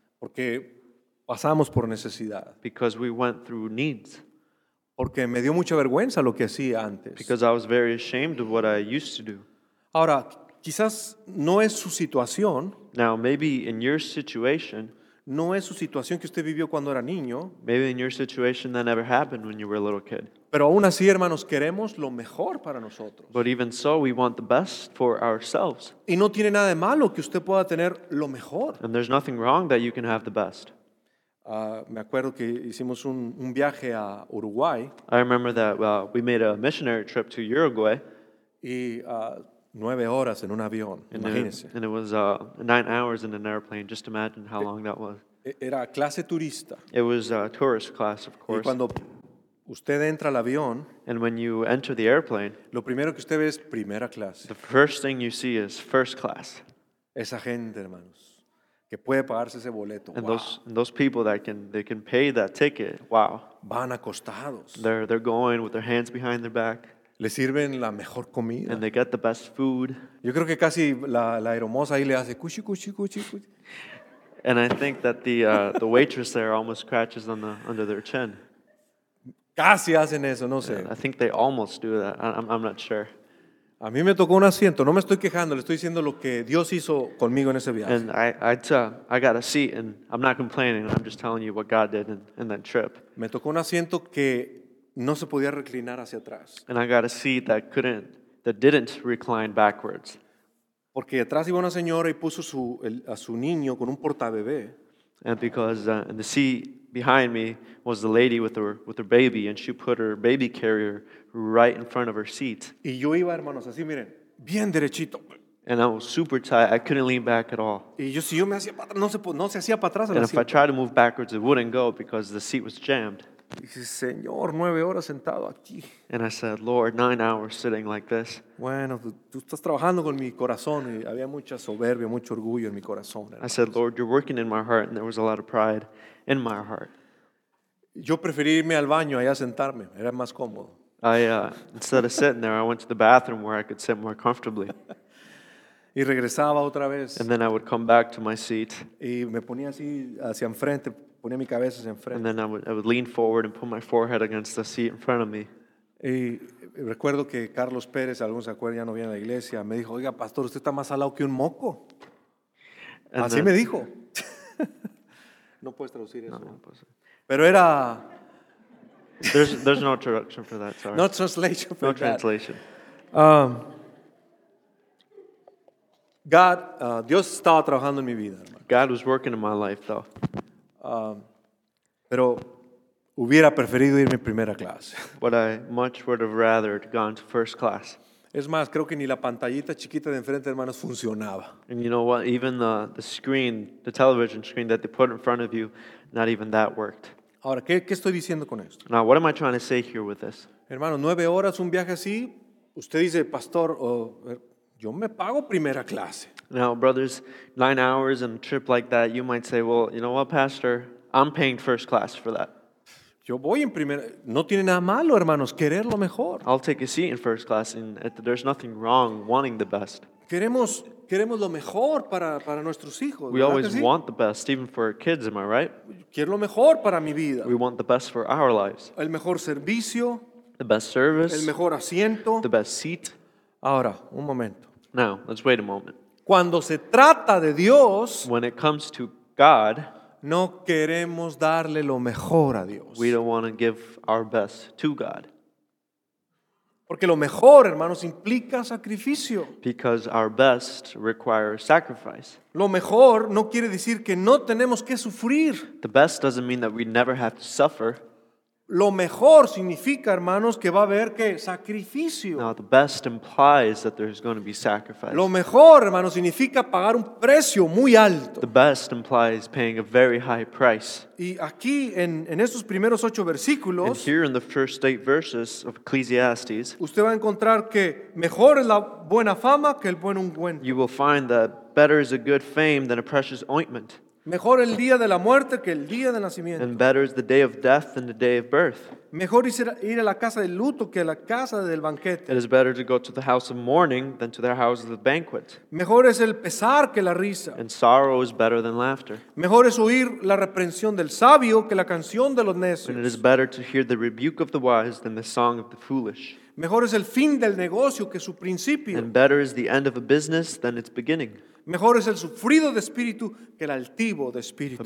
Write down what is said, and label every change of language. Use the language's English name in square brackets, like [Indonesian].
[Spanish] Porque pasamos por necesidad. [English] Because we went through needs. [Spanish] Porque me dio mucha vergüenza lo que hacía antes. [English] Because I was very ashamed of what I used to do. [Spanish] Ahora, quizás no es su situación. [English] Now, maybe in your situation. [Spanish] No es su situación que usted vivió cuando era niño. [English] Maybe in your situation that never happened when you were a little kid. [Spanish] Pero aún así, hermanos, queremos lo mejor para nosotros. [English] But even so, we want the best for ourselves. [Spanish] Y no tiene nada de malo que usted pueda tener lo mejor. [English] And there's nothing wrong that you can have the best. [Spanish] Me acuerdo que hicimos un viaje a Uruguay. [English] I remember that we made a missionary trip to Uruguay. [Spanish] Y 9 horas en un avión, imagínense. [English] And it was 9 hours in an airplane. Just imagine how long that was. [Spanish] Era clase turista. [English] It was a tourist class, of course. [Spanish] Y cuando usted entra al avión, [English] and when you enter the airplane, [Spanish] lo primero que usted ve es primera clase. [English] The first thing you see is first class. [Spanish] Esa gente, hermanos, que puede pagarse ese boleto. [English] And wow. those people that can pay that ticket. Wow. [Spanish] Van acostados. [English] They're going with their hands behind their back. [Spanish] Le sirven la mejor comida. [English] And they get the best food. [Spanish] Yo creo que casi la aeromoza ahí le hace cuchi cuchi cuchi cuchi. [English] And I think that the waitress there almost scratches under their chin. [Spanish] Casi hacen eso, no sé. [English] I think they almost do that. I'm not sure. [Spanish] A mí me tocó un asiento. No me estoy quejando. Le estoy diciendo lo que Dios hizo conmigo en ese viaje. [English] And I got a seat, and I'm not complaining. I'm just telling you what God did in that trip. [Spanish] Me tocó un asiento que no se podía reclinar hacia atrás. [English] And I got a seat that didn't recline backwards. [Spanish] Porque atrás iba una señora y puso a su niño con un portabebé. [English] And because in the seat behind me was the lady with her baby, and she put her baby carrier right in front of her seat. [Spanish] Y yo iba, hermanos, así, miren, bien derechito. [English] And I was super tight. I couldn't lean back at all. [Spanish] Y yo, si yo me hacía para atrás, no se hacía para atrás. [English] And if I tried to move backwards, it wouldn't go because the seat was jammed. [Spanish] Y dice, Señor, 9 horas sentado aquí. [English] And I said, Lord, 9 hours sitting like this. [Spanish] Bueno, tú estás trabajando con mi corazón, y había mucha soberbia, mucho orgullo en mi corazón, hermanos. [English] I said, Lord, you're working in my heart, and there was a lot of pride in my heart. [Spanish] Yo preferí irme al baño allá sentarme, era más cómodo. [English] Instead of sitting there, I went to the bathroom where I could sit more comfortably. [Spanish] Y regresaba otra vez. [English] And then I would come back to my seat. [Spanish] Y me ponía así hacia enfrente, ponía mi cabeza hacia enfrente. [English] And then I would lean forward and put my forehead against the seat in front of me. [Spanish] Y recuerdo que Carlos Pérez, algunos se acuerdan, ya no viene a la iglesia, me dijo, oiga, pastor, usted está más alado que un moco. And así me dijo. No puedes traducir eso. No puedo traducir. Pero era... [English] There's no traduction for that, sorry. No translation for no that. No translation. [Spanish] God, Dios estaba trabajando en mi vida, hermano. [English] God was working in my life, though. [Spanish] Pero hubiera preferido irme en primera clase. [English] But I much would have rather gone to first class. [Spanish] Es más, creo que ni la pantallita chiquita de enfrente, hermanos, funcionaba. [English] And you know what? Even the screen, the television screen that they put in front of you, not even that worked. [Spanish] Ahora, ¿qué estoy diciendo con esto? [English] Now, what am I trying to say here with this? [Spanish] Hermano, 9 horas, un viaje así, usted dice, pastor, yo me pago primera clase. [English] Now, brothers, 9 hours and a trip like that, you might say, well, you know what, pastor, I'm paying first class for that. [Spanish] Yo voy en primera, no tiene nada malo, hermanos, querer lo mejor. [English] I'll take a seat in first class, and there's nothing wrong wanting the best. [Spanish] Queremos lo mejor para nuestros hijos. [English] We always want the best, even for our kids, am I right? [Spanish] Quiero lo mejor para mi vida. [English] We want the best for our lives. [Spanish] El mejor servicio. [English] The best service. [Spanish] El mejor asiento. [English] The best seat. [Spanish] Ahora, un momento. [English] Now, let's wait a moment. [Spanish] Cuando se trata de Dios, [English] when it comes to God, [Spanish] no queremos darle lo mejor a Dios. [English] We don't want to give our best to God. [Spanish] Porque lo mejor, hermanos, implica sacrificio. [English] Because our best requires sacrifice. [Spanish] Lo mejor no quiere decir que no tenemos que sufrir. [English] The best doesn't mean that we never have to suffer. [Spanish] Lo mejor significa, hermanos, que va a haber que sacrificio. [English] Now, the best implies that there's going to be sacrifice. [Spanish] Lo mejor, hermanos, significa pagar un precio muy alto. [English] The best implies paying a very high price. [Spanish] Y aquí, en estos primeros 8 versículos, [English] and here in the first 8 verses of Ecclesiastes, [Spanish] usted va a encontrar que mejor es la buena fama que el buen ungüento. [English] You will find that better is a good fame than a precious ointment. [Spanish] Mejor el día de la muerte que el día de nacimiento. [English] And better is the day of death than the day of birth. [Spanish] Mejor ir a la casa del luto que a la casa del banquete. [English] It is better to go to the house of mourning than to the house of the banquet. [Spanish] Mejor es el pesar que la risa. [English] And sorrow is better than laughter. [Spanish] Mejor es oír la reprensión del sabio que la canción de los necios. [English] And it is better to hear the rebuke of the wise than the song of the foolish. [Spanish] Mejor es el fin del negocio que su principio. [English] And better is the end of a business than its beginning. [Spanish] Mejor es el sufrido de espíritu que el altivo de espíritu.